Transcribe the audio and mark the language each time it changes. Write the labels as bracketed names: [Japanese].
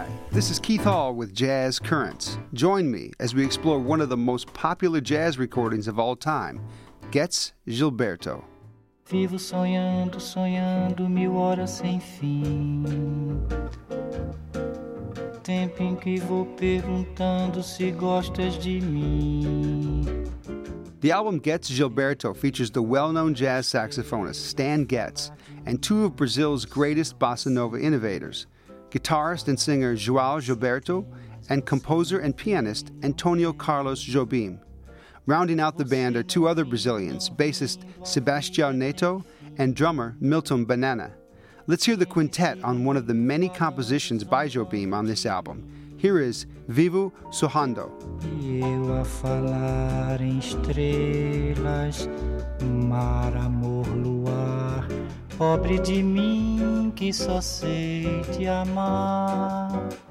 [English] This is Keith Hall with Jazz Currents. Join me as we explore one of the most popular jazz recordings of all time, Getz Gilberto. [Portuguese] Vivo sonhando, sonhando mil horas sem fim. Tempo em que vou perguntando se gostas de mim. [English] The album Getz Gilberto features the well-known jazz saxophonist Stan Getz and two of Brazil's greatest bossa nova innovators, guitarist and singer João Gilberto and composer and pianist Antonio Carlos Jobim. Rounding out the band are two other Brazilians, bassist Sebastião Neto and drummer Milton Banana. Let's hear the quintet on one of the many compositions by Jobim on this album. Here is Vivo Sonhando. [Portuguese] Eu a falar em estrelas, mar, amor, luar, pobre de mim que só sei te amar.